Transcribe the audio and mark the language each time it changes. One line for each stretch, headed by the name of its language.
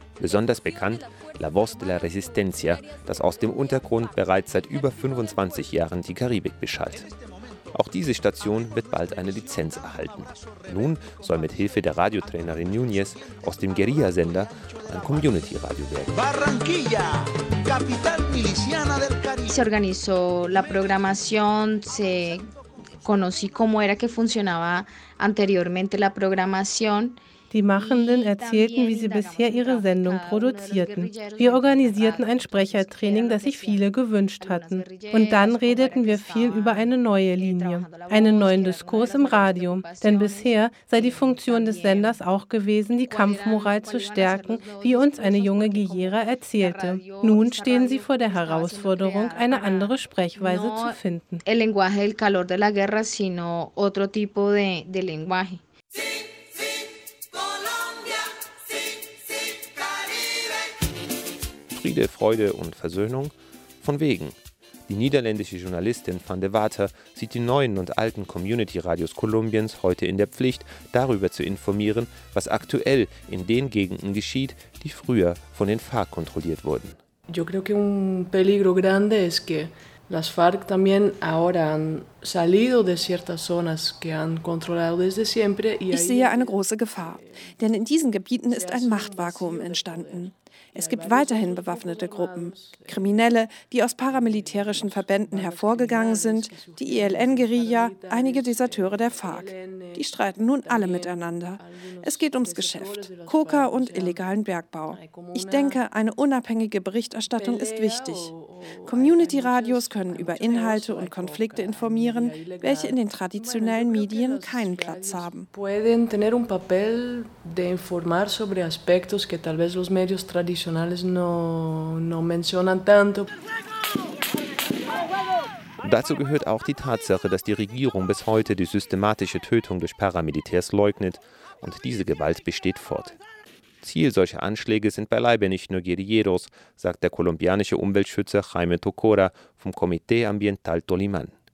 German: Besonders bekannt La Voz de la Resistencia, das aus dem Untergrund bereits seit über 25 Jahren die Karibik beschallt. Auch diese Station wird bald eine Lizenz erhalten. Nun soll mit Hilfe der Radiotrainerin Núñez aus dem Guerilla-Sender ein Community-Radio werden.
Spanish: Barranquilla, capital miliciana del Caribe. Se organizó la programación, se conocí cómo era que funcionaba anteriormente la programación.
German: Die Machenden erzählten, wie sie bisher ihre Sendung produzierten. Wir organisierten ein Sprechertraining, das sich viele gewünscht hatten. Und dann redeten wir viel über eine neue Linie, einen neuen Diskurs im Radio. Denn bisher sei die Funktion des Senders auch gewesen, die Kampfmoral zu stärken, wie uns eine junge Guerilla erzählte. Nun stehen sie vor der Herausforderung, eine andere Sprechweise zu finden.
Spanish: El lenguaje del calor de la guerra, sino otro tipo de lenguaje.
German: Friede, Freude und Versöhnung? Von wegen. Die niederländische Journalistin Van de Water sieht die neuen und alten Community-Radios Kolumbiens heute in der Pflicht, darüber zu informieren, was aktuell in den Gegenden geschieht, die früher von den FARC kontrolliert wurden. Ich glaube, ein
Spanish: peligro grande
German: ist, dass
Spanish: las FARC también ahora han salido de ciertas zonas que han controlado desde siempre.
German: Ich sehe eine große Gefahr, denn in diesen Gebieten ist ein Machtvakuum entstanden. Es gibt weiterhin bewaffnete Gruppen, Kriminelle, die aus paramilitärischen Verbänden hervorgegangen sind, die ELN-Guerilla, einige Deserteure der FARC. Die streiten nun alle miteinander. Es geht ums Geschäft, Koka und illegalen Bergbau. Ich denke, eine unabhängige Berichterstattung ist wichtig. Community-Radios können über Inhalte und Konflikte informieren, welche in den traditionellen Medien keinen Platz haben.
Spanish: Pueden tener un papel de informar sobre aspectos que tal vez los medios tradicionales no mencionan tanto.
German: Dazu gehört auch die Tatsache, dass die Regierung bis heute die systematische Tötung durch Paramilitärs leugnet und diese Gewalt besteht fort. Ziel solcher Anschläge sind beileibe nicht nur Guerilleros, sagt der kolumbianische Umweltschützer Jaime Tocora vom Comité Ambiental Tolimán.